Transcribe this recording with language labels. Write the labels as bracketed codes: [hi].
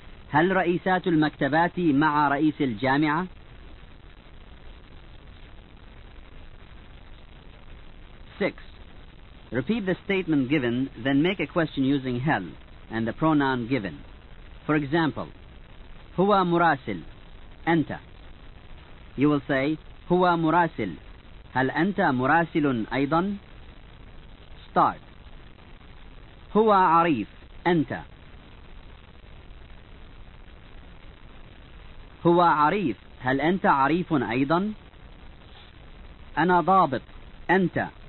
[ar] هل رئيسات المكتبات مع رئيس الجامعة؟ [en] Six. Repeat the statement given, then make a question using هل and the pronoun given. For example, [ar] هو مراسل. أنت. [en] You will say, [ar] هو مراسل. هل أنت مراسل أيضا؟ [en] Start. [ar] هو عريف. أنت. هو عريف. هل أنت عريف أيضا؟ أنا ضابط. أنت.